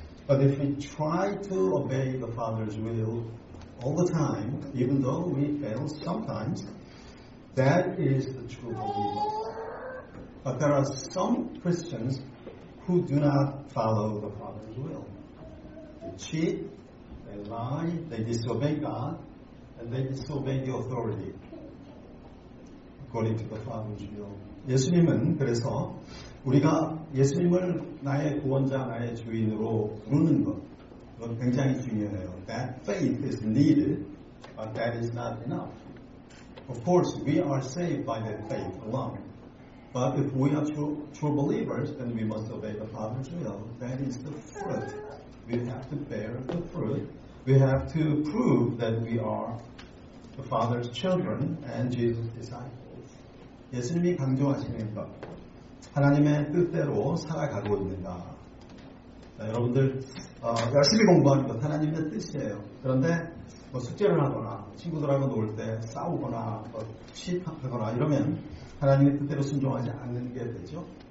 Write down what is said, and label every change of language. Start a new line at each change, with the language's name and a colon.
English: But if we try to obey the Father's will all the time, even though we fail sometimes, that is the true believer. But there are some Christians who do not follow the Father's will. They cheat, they lie, they disobey God, and they disobey the authority according to the Father's will.
Korean: 예수님은 그래서 우리가 예수님을 나의 구원자, 나의 주인으로 부르는 것, 그건 굉장히 중요해요.
English: That faith is needed, but that is not enough. Of course, we are saved by that faith alone. But if we are true believers, then we must obey the Father's will. That is the fruit. We have to bear the fruit. We have to prove that we are the Father's children and Jesus' disciples.
Korean: 예수님이 강조하시는 것. 하나님의 뜻대로 살아가고 있는가. 자, 여러분들, 열심히 공부하는 것. 하나님의 뜻이에요. 그런데 뭐 숙제를 하거나 친구들하고 놀 때 싸우거나 취하거나 이러면 하나님의 뜻대로 순종하지 않는 게 되죠.